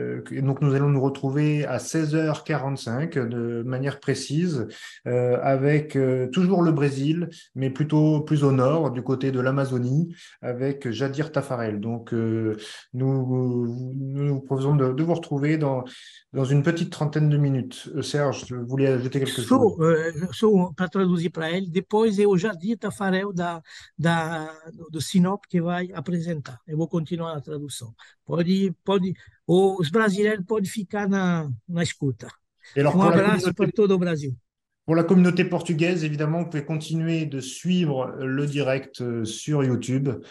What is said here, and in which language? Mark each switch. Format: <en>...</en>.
<fr>Et donc nous allons nous retrouver à 16h45 de manière précise, avec toujours le Brésil, mais plutôt plus au nord, du côté de l'Amazonie, avec Jadir Tafarel. Donc nous proposons de vous retrouver dans une petite trentaine de minutes. Serge, je voulais ajouter quelque chose.</fr> <pt>Para traduzir para ele, depois eu já disse a Tafarel do Sinop que vai apresentar. Eu vou continuar a tradução. Os brasileiros podem ficar na escuta.</pt> <fr>Et alors,</fr> <pt>Um abraço para todo o Brasil.</pt> <fr>pour la communauté portugaise, évidemment, vous pouvez continuer de suivre le direct sur YouTube.</fr>